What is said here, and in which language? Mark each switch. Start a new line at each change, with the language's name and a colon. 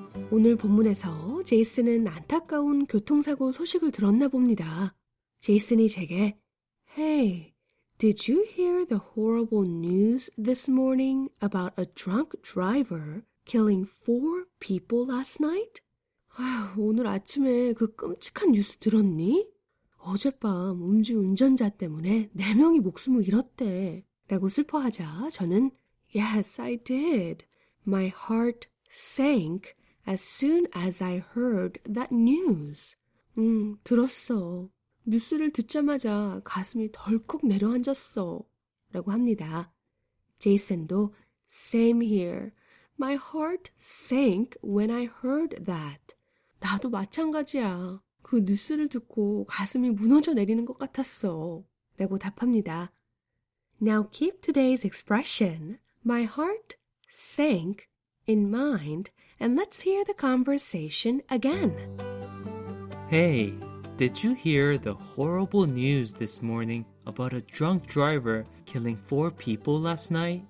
Korean: 오늘 본문에서 제이슨은 안타까운 교통사고 소식을 들었나 봅니다. 제이슨이 제게,
English: Hey, Did you hear the horrible news this morning about a drunk driver killing four people last night?
Korean: 오늘 아침에 그 끔찍한 뉴스 들었니? 어젯밤 음주운전자 때문에 4명이 목숨을 잃었대. 라고 슬퍼하자 저는
English: Yes, I did. My heart sank as soon as I heard that news.
Korean: 들었어. 뉴스를 듣자마자 가슴이 덜컥 내려앉았어 라고 합니다.
English: 제이슨도 Same here. My heart sank when I heard that.
Korean: 나도 마찬가지야. 그 뉴스를 듣고 가슴이 무너져 내리는 것 같았어 라고 답합니다.
English: Now keep today's expression My heart sank in mind and let's hear the conversation again. Hey, Did you hear the horrible news this morning about a drunk driver killing four people last night?